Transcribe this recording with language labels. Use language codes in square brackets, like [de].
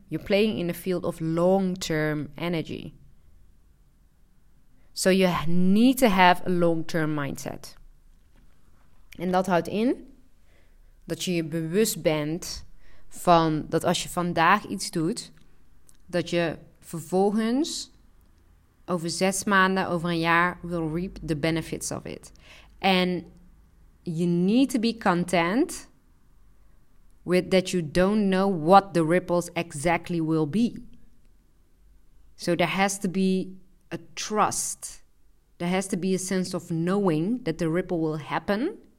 [en] You're playing in the field of long-term energy. So you need to have a long-term mindset. [nl] En dat houdt in dat je je bewust bent van dat als je vandaag iets doet, dat je vervolgens over 6 maanden, over een jaar [en] will reap the benefits of it. And you need to be content with that you don't know what the ripples exactly will be. So there has to be a trust. There has to be a sense of knowing that the ripple will happen.